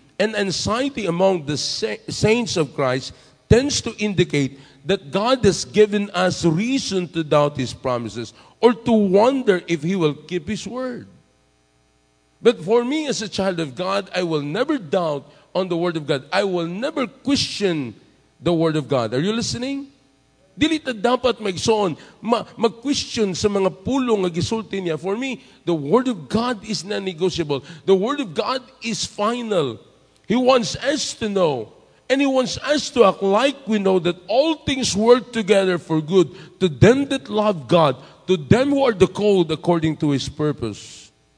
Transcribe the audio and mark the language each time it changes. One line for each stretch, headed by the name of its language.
English: And anxiety among the saints of Christ tends to indicate that God has given us reason to doubt His promises or to wonder if He will keep His word. But for me as a child of God, I will never doubt on the word of God. I will never question the word of God. Are you listening?
Cebuano: Dili ta dapat magsoon, mag-question sa mga pulong nga gisulti niya.
English: For me, the word of God is non-negotiable. The word of God is final. He wants us to know, and He wants us to act like we know that all things work together for good to them that love God, to them who are the called according to His purpose.